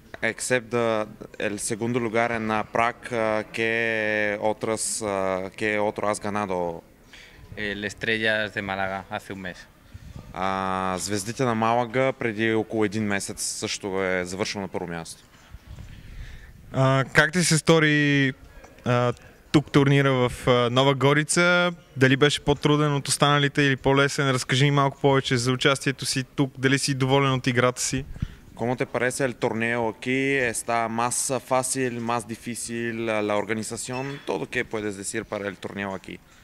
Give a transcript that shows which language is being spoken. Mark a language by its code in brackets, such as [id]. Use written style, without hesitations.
[en] Except the [es] el segundo lugar en Prag, que otro has ganado? El Estrellas de Málaga, hace un mes. [bg] Звездите на Малага преди около един месец също е завършил на първо място. Как ти се стори тук турнира в Нова Горица? Дали беше по-труден от останалите или по-лесен? Разкажи ми малко повече за участието си тук. Дали си доволен от играта си? [es] Como te parece el torneo aquí? Está más fácil, más difícil la organización? Todo que puedes decir para el torneo aquí.